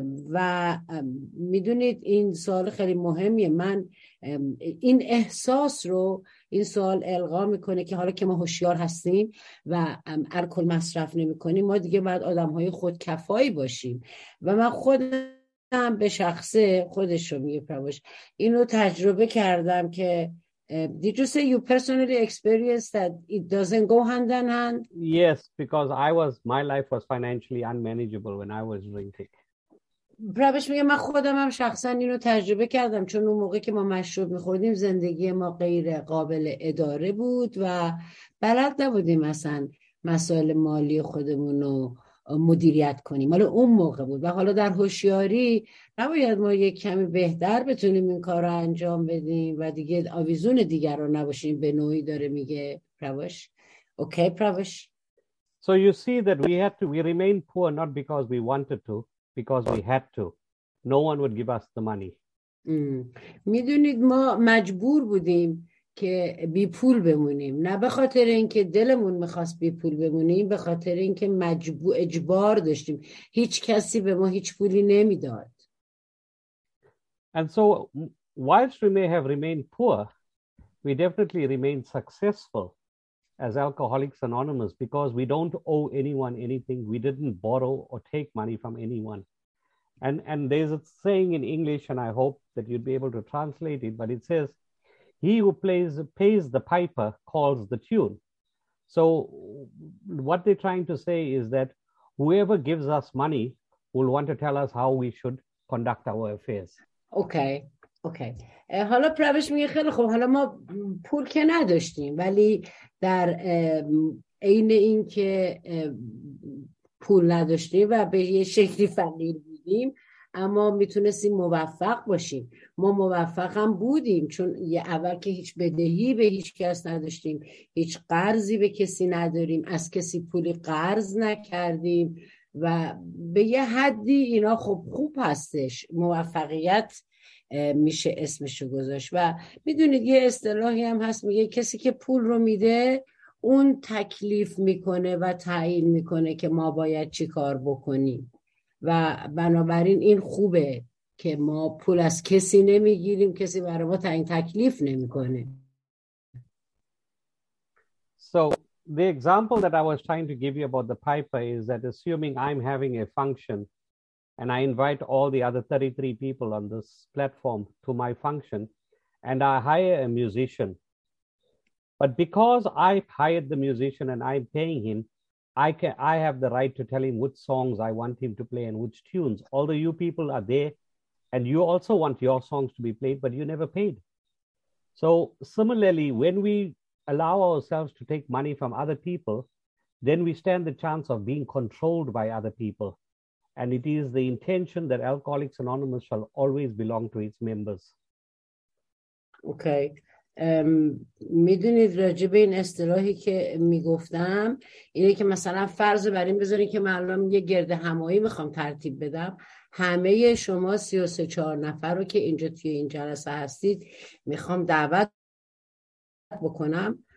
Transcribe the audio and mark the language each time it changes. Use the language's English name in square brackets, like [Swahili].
[Persian] و میدونید این سوال خیلی مهمیه، من این احساس رو این سوال القا میکنه که حالا که ما هوشیار هستیم و الکل مصرف نمیکنیم، ما دیگه باید آدم های خودکفایی باشیم و من خودم به شخصه خودش رو میگه پروش اینو تجربه کردم که [English] Did you say you personally experienced that it doesn't go hand in hand? Yes, because I was my life was financially unmanageable when I was drinking. [Persian] پرابش میگه من خودم هم شخصا اینو تجربه کردم، چون اون موقع که ما مشروب میخوردیم زندگی ما غیر قابل اداره بود و بلد نبودیم مثلا مسائل مالی خودمون رو مدیریت کنیم، مال اون موقع بود و حالا در هوشیاری نباید ما یک کمی بهتر بتونیم این کار رو انجام بدیم و دیگه آویزون دیگران نباشیم، به نوعی داره میگه پرابش. اوکی پرابش. [English] So you see that we remained poor not because we wanted to, because we had to. No one would give us the money. [Persian] میدونید ما مجبور بودیم که بی پول بمونیم، نه به خاطر اینکه دلمون میخواست بی پول بمونیم، به خاطر اینکه مجبور اجبار داشتیم، هیچ کسی به ما هیچ پولی نمیداد. [English] And so, whilst we may have remained poor, we definitely remained successful as Alcoholics Anonymous, because we don't owe anyone anything. We didn't borrow or take money from anyone. And there's a saying in English, and I hope that you'd be able to translate it, but it says, he who pays the piper calls the tune. So what they're trying to say is that whoever gives us money will want to tell us how we should conduct our affairs. Okay. [Persian] حالا پروش میگه خیلی خوب، حالا ما پول که نداشتیم، ولی در عین این که پول نداشتیم و به یه شکلی فقیر بودیم، اما میتونستیم موفق باشیم. ما موفق هم بودیم، چون یه اول که هیچ بدهی به هیچ کس نداشتیم، هیچ قرضی به کسی نداریم، از کسی پولی قرض نکردیم و به یه حدی اینا خوب هستش، موفقیت میشه اسمشو گذاشت. و میدونید یه اصطلاحی هم هست میگه کسی که پول رو میده اون تکلیف میکنه و تعیین میکنه که ما باید چی کار بکنیم و بنابراین این خوبه که ما پول از کسی نمیگیریم، کسی برای ما تعیین تکلیف نمیکنه. [English] So the example that I was trying to give you about the piper is that assuming I'm having a function and I invite all the other 33 people on this platform to my function and I hire a musician. But because I hired the musician and I'm paying him, I have the right to tell him which songs I want him to play and which tunes. Although you people are there and you also want your songs to be played, but you never paid. So similarly, when we allow ourselves to take money from other people, then we stand the chance of being controlled by other people. And it is the intention that Alcoholics Anonymous shall always belong to its members. [Persian] اوکی میدونید راجب این اصطلاحی که میگفتم اینه که مثلا فرض بر این بذارین که من الان یه گرد همایی میخوام ترتیب بدم، همه شما 33 4 نفر رو که اینجا توی این جلسه هستید میخوام دعوت بکنم